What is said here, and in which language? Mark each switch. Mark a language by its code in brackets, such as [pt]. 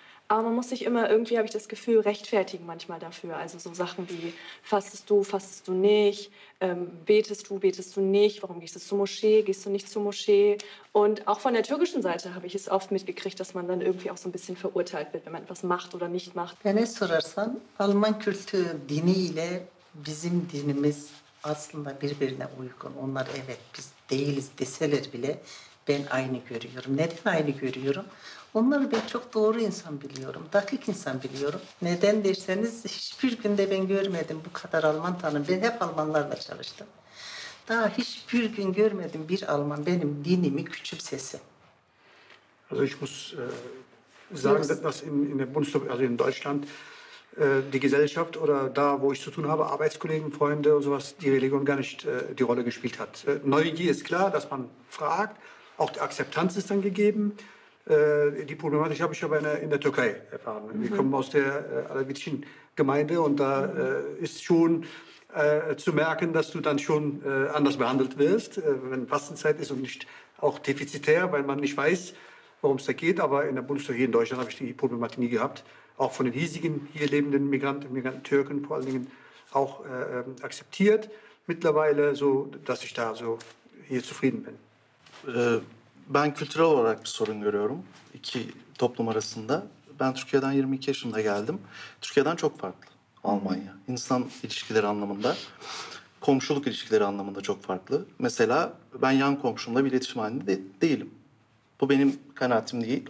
[de] Aber man muss sich immer, irgendwie habe ich das Gefühl, rechtfertigen manchmal dafür. Also so Sachen wie, fastest du nicht, betest du nicht, warum gehst du zur Moschee, gehst du nicht zur Moschee. Und auch von der türkischen Seite habe ich es oft mitgekriegt, dass man dann irgendwie auch so ein bisschen verurteilt wird, wenn man etwas macht oder nicht macht. [tr] Wenn es sorarsan, Alman Kultur, Dini ile bizim dinimiz aslında birbirine uygun. Onlar evet biz değiliz deseler bile ben aynı görüyorum. Neden aynı görüyorum? Onları ben çok doğru insan biliyorum, dakik insan biliyorum. Neden derseniz hiçbir günde ben görmedim bu kadar Alman tanım. Ben hep Almanlarla çalıştım. Daha hiçbir gün görmedim bir Alman benim dinimi küçümsesi. [de] Also ich muss sagen, dass in der Bundesrepublik, also in Deutschland, die Gesellschaft oder da, wo ich zu tun habe, Arbeitskollegen, Freunde und sowas, die Religion gar nicht die Rolle gespielt hat. Neugier ist klar, dass man fragt, auch die Akzeptanz ist dann gegeben. Die Problematik habe ich aber in der Türkei erfahren. Mhm. Wir kommen aus der alevitischen Gemeinde und da ist schon zu merken, dass du dann schon anders behandelt wirst, wenn Fastenzeit ist und nicht auch defizitär, weil man nicht weiß, worum es da geht. Aber in der Bundesrepublik, in Deutschland, habe ich die Problematik nie gehabt. Auch von den hiesigen hier lebenden Migranten, Türken vor allen Dingen, auch akzeptiert mittlerweile, so dass ich da so hier zufrieden bin. [tr] Ben kültürel olarak bir sorun görüyorum iki toplum arasında. Ben Türkiye'den 22 yaşında geldim. Türkiye'den çok farklı Almanya. İnsan ilişkileri anlamında, komşuluk ilişkileri anlamında çok farklı. Mesela ben yan komşumla bir iletişim halinde değilim. Bu benim kanaatim değil.